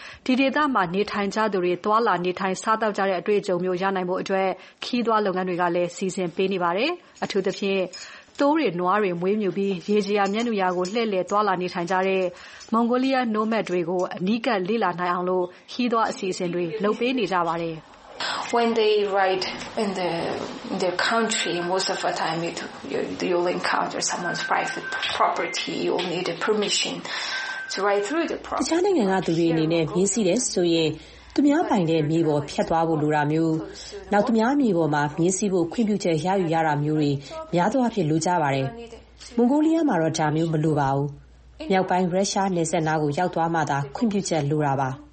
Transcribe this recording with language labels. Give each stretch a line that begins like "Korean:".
Burmese: ဒီဒေသမှာနေထိုင်ကြသူတွေသွားလာနေထိုင်စားသောက်ကြတဲ့အတွေ့အကြုံမျိုးရနိုင်ဖို့အတွက်ခီးသွွားလုပ်ငန်းတွေကလည်းစီစဉ်ပေးနေပါတယ်။အထူးသဖြင့်တိုးရီနွားရီမွေးမြူပြီးရေကြီးရမျက်နှာကိုလှဲ့လေသွားလာနေထိုင်ကြတဲ့မွန်ဂိုလီးယားနိုမက်တွေကိုအနီးကပ်လေ့လာနိုင်အောင်လို့ခီးသွွားအစီအစဉ်တွေလုပ်ပေးနေကြပါတယ်
English: ။ When they ride in the country most of the time you'll encounter someone's private property or need a permission to ride through the property.
Burmese: တခြားနိုင်ငံကသူတွေအနေနဲ့မြင်စီတယ်ဆိုရင်သူများပိုင်တဲ့မြေပေါ်ဖြတ်သွားဖို့လိုတာမျိုးနောက်သူများမြေပေါ်မှာမြင်းစီးဖို့ခွင့်ပြုချက်ရယူရတာမျိုးတွေများသောအားဖြင့်လိုကြပါတယ်မွန်ဂိုလီးယားမှာတော့ဒါမျိုးမလိုပါဘူးမြောက်ပိုင်းရုရှားနယ်စပ်နားကိုရောက်သွားမှသာခွင့်ပြုချက်လိုတာပါ